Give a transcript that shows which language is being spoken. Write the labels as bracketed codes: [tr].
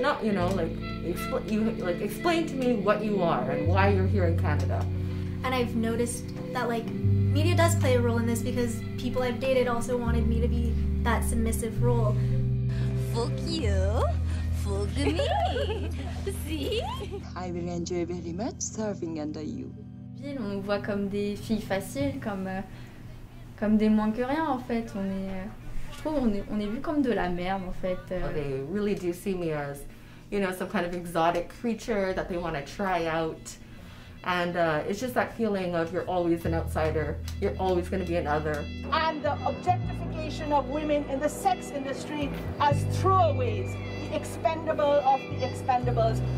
[en] Not, you know, like, explain to me what you are and why you're here in Canada. And I've noticed that, like, media does play a role in this because people I've dated also wanted me to be that submissive role. Fuck you, fuck me, see? I will enjoy very much serving under you. [fr] On nous voit comme des filles faciles, comme des moins que rien, en fait. On est, je trouve on est vu comme de la merde, en fait. [en] Well, they really do see me as, you know, some kind of exotic creature that they want to try out. And it's just that feeling of you're always an outsider, you're always going to be an other. And the objectification of women in the sex industry as throwaways, the expendable of the expendables.